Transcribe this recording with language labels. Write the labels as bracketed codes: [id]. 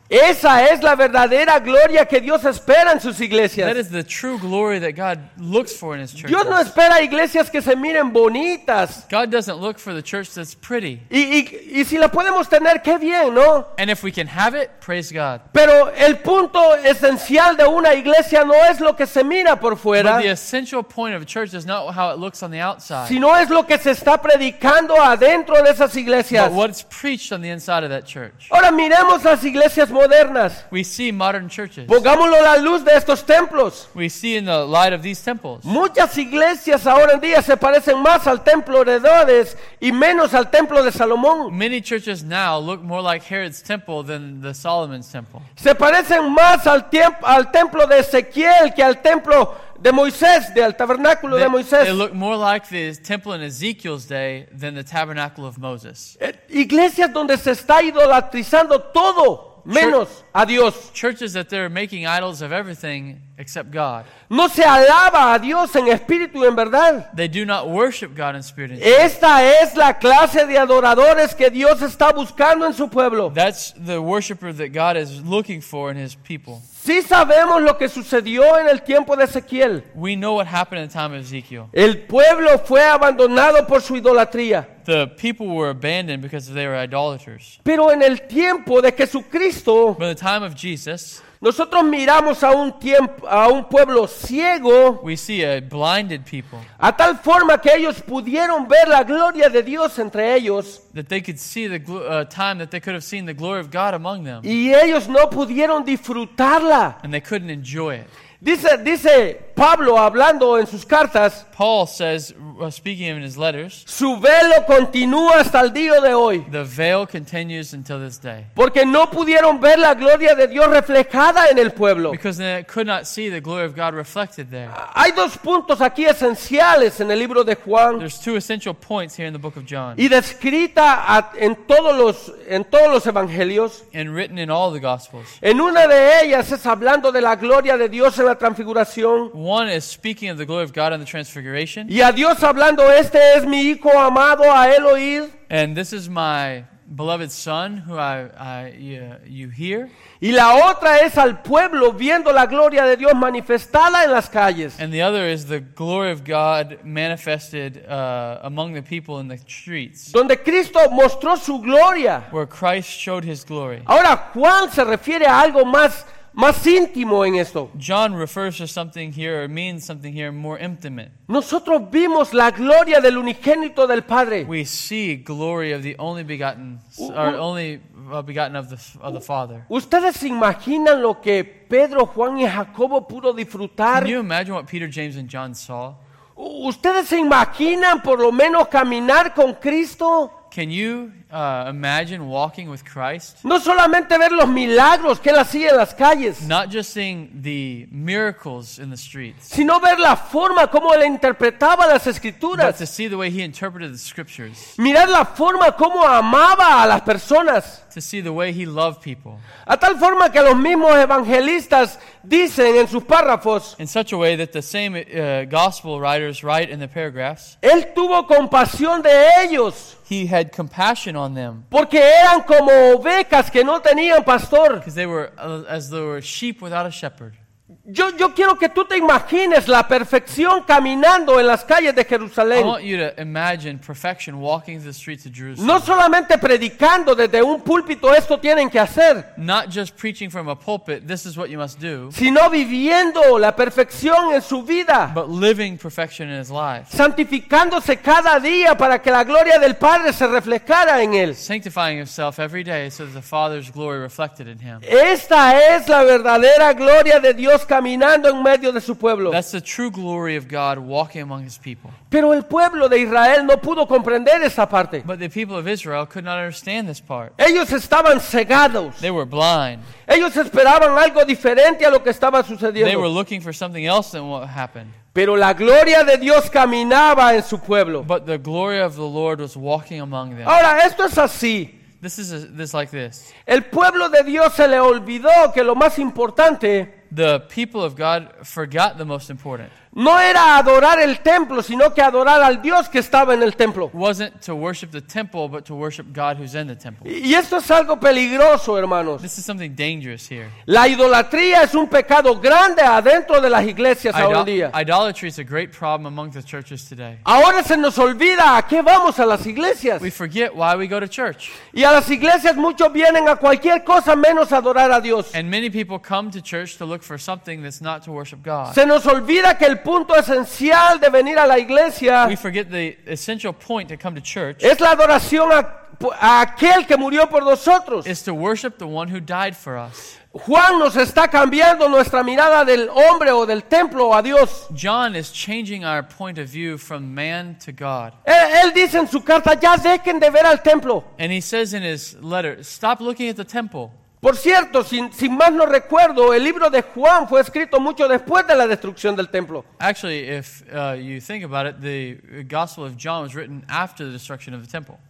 [es] Esa es la verdadera gloria que Dios espera en sus iglesias. [en] That is the true glory that God looks for in His churches. [es] Dios no espera iglesias que se miren bonitas. [en] God doesn't look for the church that's pretty. [es] Y si la podemos tener, qué bien, ¿no? [en] And if we can have it, praise God. [es] Pero el punto esencial de una iglesia no es lo que se mira por fuera. [en] But the essential point of a church is not how it looks on the outside. [es] Sino es lo que se está predicando adentro de esas iglesias. [en] But what's preached on the inside of that church. [es] Ahora miremos las iglesias modernas. [en] We see modern churches. [es] Pongámoslo a la luz de estos templos. [en] We see in the light of these temples. [es] Muchas iglesias ahora en día se parecen más al templo de Herodes y menos al templo de Salomón. [en] Many churches now look more like Herod's temple than the Solomon's temple. [es] Se parecen más al templo de Ezequiel que al templo de Moisés, del tabernáculo de Moisés. [en] It looked more like the temple in Ezekiel's day than the tabernacle of Moses. [es] Iglesias donde se está idolatrizando todo. menos a Dios. [en] Churches that they're making idols of everything except God. [es] No se alaba a Dios en espíritu y en verdad. [en] They do not worship God in spirit and truth. [es] Esta es la clase de adoradores que Dios está buscando en su pueblo. [en] That's the worshiper that God is looking for in his people. [es] Sí sabemos lo que sucedió en el tiempo de Ezequiel. [en] We know what happened in the time of Ezekiel. [es] El pueblo fue abandonado por su idolatría. [en] The people were abandoned because they were idolaters. [es] Pero en el tiempo de Jesucristo, [en] in the time of Jesus, [es] nosotros miramos a un tiempo, a un pueblo ciego, [en] we see a blinded people, [es] a tal forma que ellos pudieron ver la gloria de Dios entre ellos, [en] that they could see the time that they could have seen the glory of God among them, [es] y ellos no pudieron disfrutarla, [en] and they couldn't enjoy it. [es] Dice Pablo hablando en sus cartas. [en] Paul says, speaking in his letters, [es] su velo continúa hasta el día de hoy. [en] The veil continues until this day. [es] Porque no pudieron ver la gloria de Dios reflejada en el pueblo. [en] Because they could not see the glory of God reflected there. [es] Hay dos puntos aquí esenciales en el libro de Juan. [en] There's two essential points here in the book of John. [es] Y descrita en todos los evangelios. [en] And written in all the gospels. [es] En una de ellas es hablando de la gloria de Dios en la transfiguración. [en] One is speaking of the glory of God and the transfiguration. [es] Y a Dios hablando, este es mi hijo amado, a él oír. [en] And this is my beloved son who you hear. [es] Y la otra es al pueblo viendo la gloria de Dios manifestada en las calles. [en] And the other is the glory of God manifested among the people in the streets. [es] Donde Cristo mostró su gloria. [en] Where Christ showed his glory. [es] Ahora Juan se refiere a algo más íntimo en esto. [en] John refers to something here, or means something here, more intimate. [es] Nosotros vimos la gloria del unigénito del Padre. [en] We see glory of the only begotten, or only begotten of the Father. [es] ¿Ustedes imaginan lo que Pedro, Juan y Jacobo pudo disfrutar? [en] Can you imagine what Peter, James, and John saw? [es] ¿Ustedes se imaginan por lo menos caminar con Cristo? [en] Can you imagine walking with Christ? [es] No solamente ver los milagros que él hacía en las calles. [en] Not just seeing the miracles in the streets. [es] Sino ver la forma como él interpretaba las escrituras. [en] But to see the way he interpreted the scriptures. [es] Mirar la forma como amaba a las personas. [en] To see the way he loved people. [es] A tal forma que los mismos evangelistas dicen en sus párrafos. [en] In such a way that the same gospel writers write in the paragraphs. [es] Él tuvo compasión de ellos. [en] He had compassion on them. [es] Porque eran como ovejas que no tenían pastor. [en] Because they were as though were sheep without a shepherd. [es] Yo quiero que tú te imagines la perfección caminando en las calles de Jerusalén. [en] I want you to imagine perfection walking the streets of Jerusalem. [es] No solamente predicando desde un púlpito, esto tienen que hacer. [en] Not just preaching from a pulpit, this is what you must do. [es] Sino viviendo la perfección en su vida. [en] But living perfection in his life. [es] Santificándose cada día para que la gloria del Padre se reflejara en él. [en] Sanctifying himself every day so that the Father's glory reflected in him. [es] Esta es la verdadera gloria de Dios caminando en medio de su pueblo. [en] That's the true glory of God walking among his people. [es] Pero el pueblo de Israel no pudo comprender esa parte. [en] But the people of Israel could not understand this part. [es] Ellos estaban cegados. [en] They were blind. [es] Ellos esperaban algo diferente a lo que estaba sucediendo. [en] They were looking for something else than what happened. [es] Pero la gloria de Dios caminaba en su pueblo. [en] But the glory of the Lord was walking among them. [es] Ahora, esto es así. [en] This is like this. [es] El pueblo de Dios se le olvidó que lo más importante. [en] The people of God forgot the most important. [es] No era adorar el templo, sino que adorar al Dios que estaba en el templo. [en] Wasn't to worship the temple, but to worship God who's in the temple. [es] Y esto es algo peligroso, hermanos. [en] This is something dangerous here. [es] La idolatría es un pecado grande adentro de las iglesias hoy en día. [en] Idolatry is a great problem among the churches today. [es] Ahora se nos olvida a qué vamos a las iglesias. [en] We forget why we go to church. [es] Y a las iglesias muchos vienen a cualquier cosa menos adorar a Dios. [en] And many people come to church to look for something that's not to worship God. [es] Se nos olvida que el punto esencial de venir a la iglesia. [en] We forget the essential point to come to church. [es] Es la adoración a aquel que murió por nosotros. [en] Is to worship the one who died for us. [es] Juan nos está cambiando nuestra mirada del hombre o del templo a Dios. [en] John is changing our point of view from man to God. [es] Él dice en su carta, ya dejen de ver al templo. [en] And he says in his letter, stop looking at the temple. [es] Por cierto, sin más no recuerdo, el libro de Juan fue escrito mucho después de la destrucción del templo. [en] Actually, if you think about it, the Gospel of John was written after the destruction of the temple.